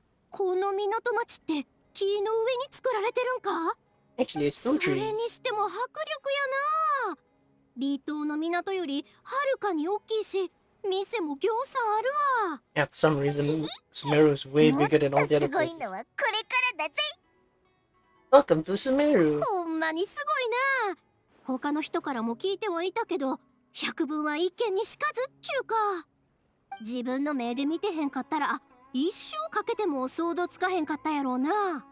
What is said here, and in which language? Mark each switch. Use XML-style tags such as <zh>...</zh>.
<ja>この港町って木の上に作られてるんか。それにしても迫力やな。離島の港よりはるかに大きいし、店もぎょうさんあるわ。</ja> <en>Yeah, for some reason, Sumeru is way bigger than all the other places.</en> <ja>すごいのはこれからだぜ。</ja> <en>Welcome to Sumeru.</en> <ja>ほんまにすごいな。他の人からも聞いてはいたけど。百聞は一見にしかずっちゅうか。自分の目で見てへんかったら一生かけても想像つかへんかったやろうな。</ja>